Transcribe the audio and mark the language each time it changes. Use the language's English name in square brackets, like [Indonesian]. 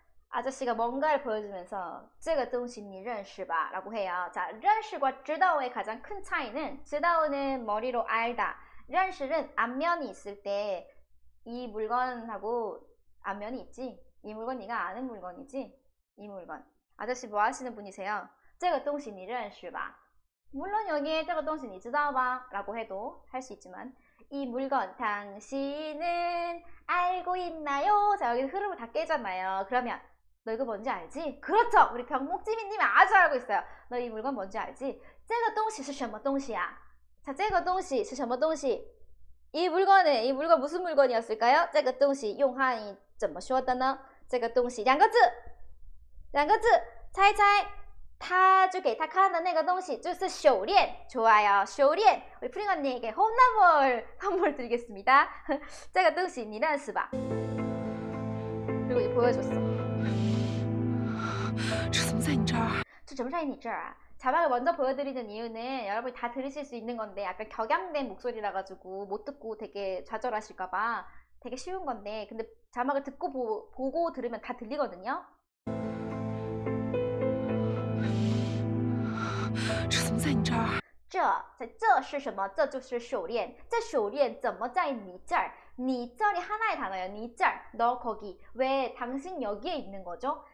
[Korean] 아저씨가 뭔가를 보여주면서 [Chinese] 这个东西你认识吧? [Korean] 라고 해요. 자, 认识과 知道의 가장 큰 차이는 知道는 머리로 알다, 认识는 안면이 있을 때 이 물건하고 안면이 있지? 이 물건 네가 아는 물건이지? 이 물건 아저씨 뭐 하시는 분이세요? [Chinese] 这个东西你认识吧? 물론 여기에 这个东西你知道吧? [Korean] 라고 해도 할 수 있지만 이 물건 당신은 알고 있나요? 자 여기 흐름을 다 깨잖아요. 그러면 너 이거 뭔지 알지? 그렇죠! 우리 병목지민님이 아주 알고 있어요. 너 이 물건 뭔지 알지? [Chinese] 这个东西是什么东西야? [Korean] 자 [Chinese] 这个东西是什么东西? [Korean] 이 물건 무슨 물건이었을까요? [Chinese] 这个东西用汉语怎么说的呢?这个东西两个字 猜猜 他就给他看的那个东西就是手链 [Korean] 좋아요 [Chinese] 手链 [Korean] 우리 프링 언니에게 홈런볼 선물 드리겠습니다 [Chinese] 这个东西你认识吧 [Korean] 그리고 이제 보여줬어 [Chinese] 这怎么在你这儿啊 [Korean] 자막을 먼저 보여드리는 이유는 여러분이 다 들으실 수 있는 건데 약간 격양된 목소리라 가지고 못 듣고 되게 좌절하실까봐 되게 쉬운 건데 근데 자막을 듣고 보고 들으면 다 들리거든요 [Chinese] 这是什么这就是手链这手链怎么在你这儿 [Korean] 你这里 하나의 단어예요 你这儿 너 거기 왜 당신 여기에 있는 거죠?